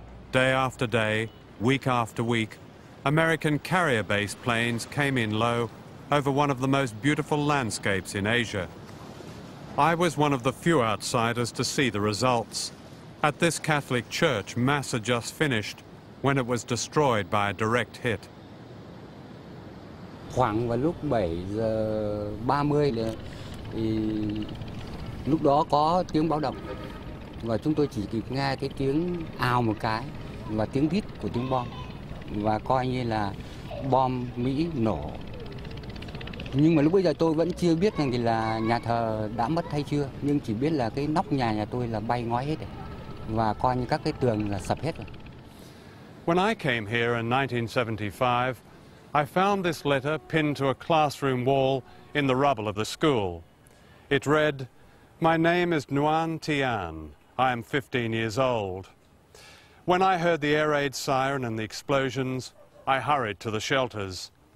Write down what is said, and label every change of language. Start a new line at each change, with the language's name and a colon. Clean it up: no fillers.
English: Day after day, week after week, American carrier-based planes came in low over one of the most beautiful landscapes in Asia. I was one of the few outsiders to see the results at this Catholic church mass had just finished when it was destroyed by a direct hit.
Vietnamese: Khoảng vào lúc 7 giờ 30 thì lúc đó có tiếng báo động và chúng tôi chỉ kịp nghe cái tiếng ào một cái và tiếng rít của tiếng bom và coi như là bom Mỹ nổ. Nhưng mà lúc bây giờ tôi vẫn chưa biết rằng thì là nhà thờ đã mất hay chưa, nhưng chỉ biết là cái nóc nhà tôi là bay ngói hết rồi. Và coi như các cái tường là sập hết rồi.
English: When I came here in 1975, I found this letter pinned to a classroom wall in the rubble of the school. It read, "My name is Nguyen Thi An. I am 15 years old. When I heard the air raid siren and the explosions, I hurried to the shelters.